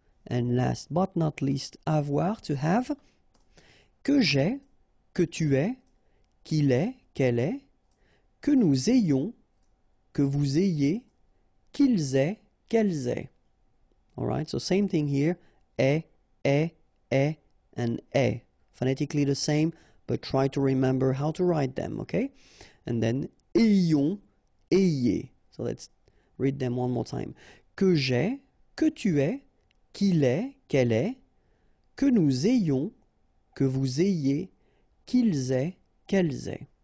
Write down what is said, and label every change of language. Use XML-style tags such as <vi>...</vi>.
<en>And last but not least, avoir, to have,</en> <fr>que j'ai, que tu es, qu'il est, qu'elle est, que nous ayons, que vous ayez, qu'ils aient, qu'elles aient.</fr> <en>All right, so same thing here, est, and est. Phonetically the same, but try to remember how to write them, okay? And then, ayons, ayez. So let's read them one more time.</en> <fr>Que j'ai, que tu es, qu'il est, qu'elle est, que nous ayons, que vous ayez, qu'ils aient, qu'elles aient.</fr>